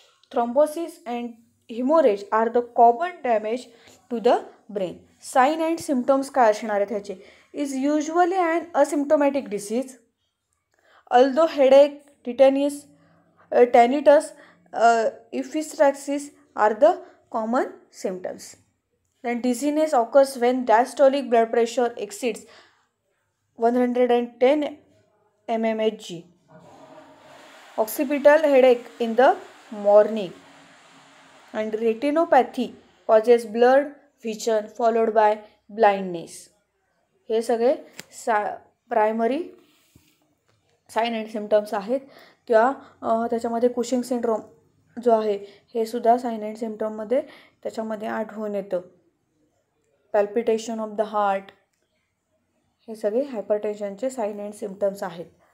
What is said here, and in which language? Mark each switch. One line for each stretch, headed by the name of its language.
English: Thrombosis and hemorrhage are the common damage to the brain.
Marathi: Sign and symptoms काय असणार आहेत ह्याचे?
English: Is usually an asymptomatic disease. Although headache, tetanus, tinnitus, epistaxis are the common symptoms. Then dizziness occurs when diastolic blood pressure exceeds 110 mmHg. Occipital headache in the morning. And retinopathy causes blurred vision followed by blindness.
Marathi: हे सगळे primary sine and symptoms आहेत. किंवा त्याच्यामध्ये Cushing syndrome जो आहे हे सुद्धा sine and सिमटममध्ये त्याच्यामध्ये आढळून येतं. पॅल्पिटेशन ऑफ द हार्ट, हे सगळे हायपरटेन्शनचे साईन अँड सिमटम्स आहेत.